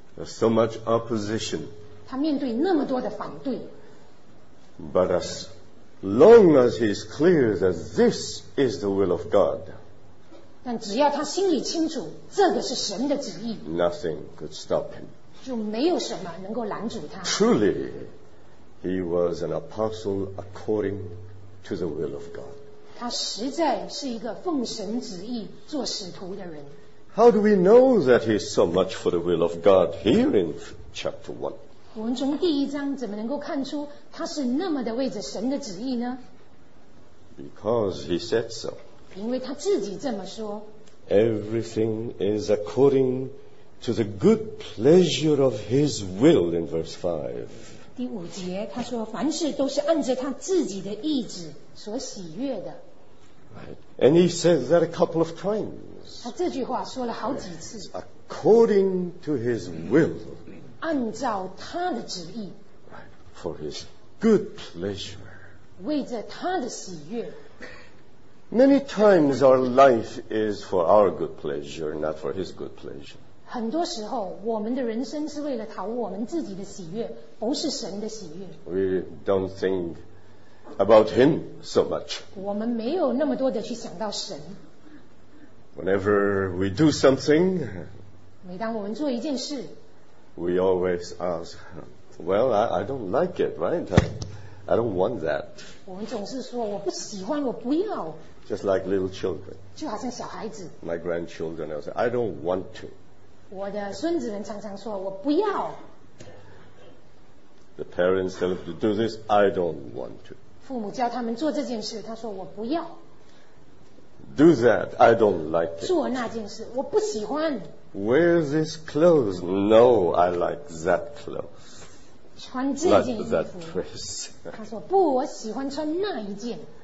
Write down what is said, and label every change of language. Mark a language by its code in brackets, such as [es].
[en] There's so much opposition. [zh] 他面对那么多的反对, [en] but as long as he is clear that this is the will of God, [zh] 但只要他心里清楚, 这个是神的旨意, [en] nothing could stop him. [zh] 就没有什么能够拦阻他。 [en] Truly, he was an apostle according to the will of God. [zh] 他实在是一个奉神旨意做使徒的人。 [en] How do we know that he's so much for the will of God here in chapter 1? [zh] 我们从第一章怎么能够看出他是那么的为着神的旨意呢？ [en] Because he said so. [zh] 因为他自己这么说。 [en] Everything is according to the good pleasure of his will in verse 5. [zh] 第五节他说凡事都是按着他自己的意志所喜悦的。 [en] Right. And he said that a couple of times. [zh] 他这句话说了好几次。Yes. [en] According to his will. [zh] 按照他的旨意。 [en] Right. For his good pleasure. [zh] 为着他的喜悦。 [en] Many times our life is for our good pleasure, not for his good pleasure. [zh] 很多时候我们的人生是为了讨我们自己的喜悦，不是神的喜悦。 [en] We don't think about him so much. [zh] 我们没有那么多的去想到神。 [en] Whenever we do something, [zh] 每当我们做一件事, [en] we always ask, well, I don't like it, right? I don't want that. [zh] 我们总是说我不喜欢，我不要。 [en] Just like little children. [zh] 就好像小孩子。 [en] My grandchildren will say, I don't want to. [zh] 我的孙子们常常说我不要。 [en] The parents tell them to do this, I don't want to. [zh] 父母教他们做这件事，他说我不要。 [en] Do that, I don't like it. [zh] 做那件事，我不喜欢。 [en] Wear this clothes, no, I like that clothes. [zh] 穿这件衣服。 [en] Like that dress. [zh] 他说不，我喜欢穿那一件。